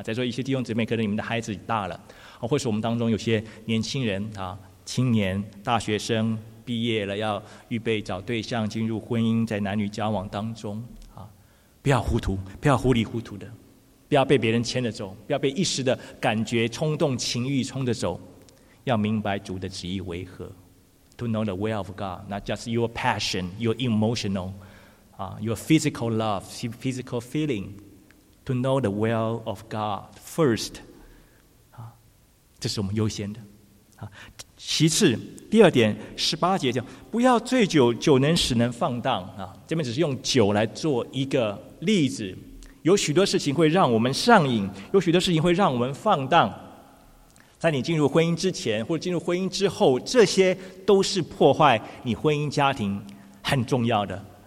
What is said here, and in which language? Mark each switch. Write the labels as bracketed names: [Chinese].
[Chinese] 再说一些弟兄姊妹，可能你们的孩子大了，或是我们当中有些年轻人啊，青年大学生毕业了，要预备找对象进入婚姻，在男女交往当中啊，不要糊涂，不要糊里糊涂的，不要被别人牵着走，不要被一时的感觉冲动情欲冲着走，要明白主的旨意为何。 [English] To know the will of God, not just your passion, your emotional,your physical love, physical feeling, to know the will of God first. [Chinese] 这是我们优先的。其次，第二点，十八节讲，不要醉酒，酒能使人放荡。这边只是用酒来做一个例子。有许多事情会让我们上瘾，有许多事情会让我们放荡。在你进入婚姻之前，或者进入婚姻之后，这些都是破坏你婚姻家庭很重要的。